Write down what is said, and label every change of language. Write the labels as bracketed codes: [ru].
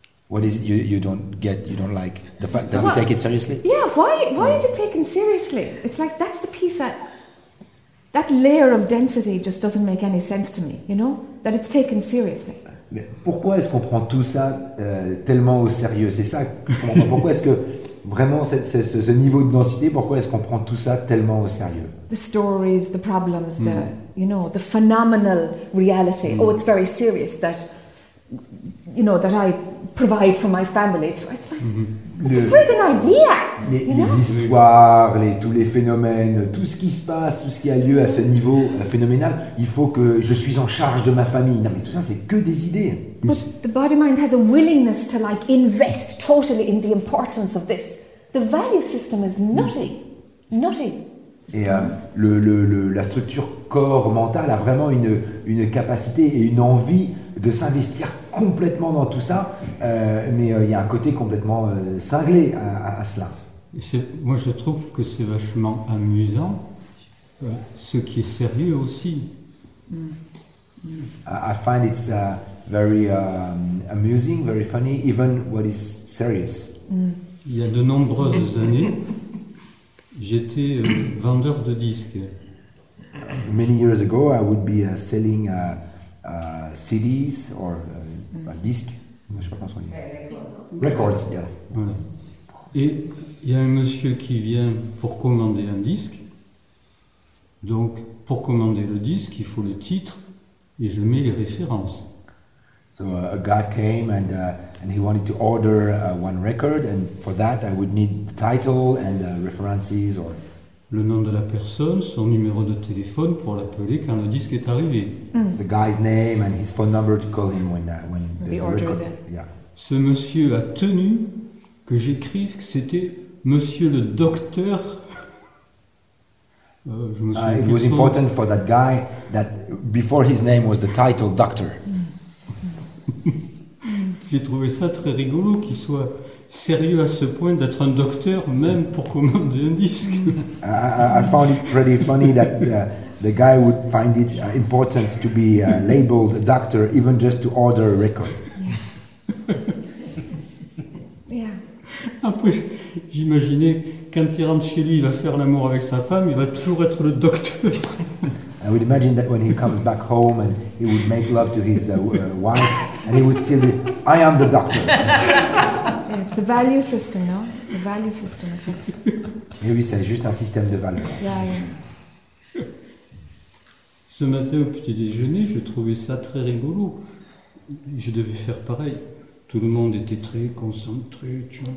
[en] What is it you don't get, you don't like? The fact that we take it seriously? Yeah, why is it taken seriously? It's like, that's the piece that layer of density just doesn't make any sense to me, you know? That it's taken seriously. [fr] Mais pourquoi est-ce qu'on prend tout ça tellement au sérieux? C'est ça que je comprends pas. Pourquoi est-ce que, vraiment, ce niveau de densité, pourquoi est-ce qu'on prend tout ça tellement au sérieux? [en] The stories, the problems, the, you know, the phenomenal reality. Mm. Oh, it's very serious that, you know, that I provide for my family. It's a freaking idea. [fr] Les histoires, tous les phénomènes, tout ce qui se passe, tout ce qui a lieu à ce niveau phénoménal, il faut que je suis en charge de ma famille. Non, mais tout ça, c'est que des idées. [en] But the body mind has a willingness to like invest totally in the importance of this. The value system is nutty. Nutty. [fr] Et la structure corps mental a vraiment une capacité et une envie de s'investir complètement dans tout ça, mais y a un côté complètement cinglé à cela. Moi, je trouve que c'est vachement amusant, ce qui est sérieux aussi. [en] I find it's very amusing, very funny, even what is serious. [fr] Il y a de nombreuses années, j'étais vendeur de disques. [en] Many years ago, I would be selling CDs or a disc. [fr] Je pense, oui. [en] Records, yes. [fr] Voilà. Et il y a un monsieur qui vient pour commander un disque. Donc, pour commander le disque, il faut le titre et je mets les références. [en] So a guy came and he wanted to order one record, and for that I would need the title and references or [fr] le nom de la personne, son numéro de téléphone pour l'appeler quand le disque est arrivé. [en] The guy's name and his phone number to call him when the order record, is it. Yeah. [fr] Ce monsieur a tenu que j'écrive que c'était monsieur le docteur. [en] It was important for that guy that before his name was the title doctor. [fr] J'ai trouvé ça très rigolo qu'il soit sérieux à ce point d'être un docteur même pour commander un disque. [en] I found it pretty funny that the guy would find it important to be labeled a doctor even just to order a record. Yeah. [fr] Après, j'imaginais quand il rentre chez lui, il va faire l'amour avec sa femme, il va toujours être le docteur. [en] I would imagine that when he comes back home and he would make love to his wife, and he would still be, I am the doctor. Yeah, it's the value system, no? The value system is what's... [fr] Et oui, c'est juste un système de valeurs. [en] Yeah, yeah. [fr] Ce matin, au petit déjeuner, je trouvais ça très rigolo. Je devais faire pareil. Tout le monde était très concentré.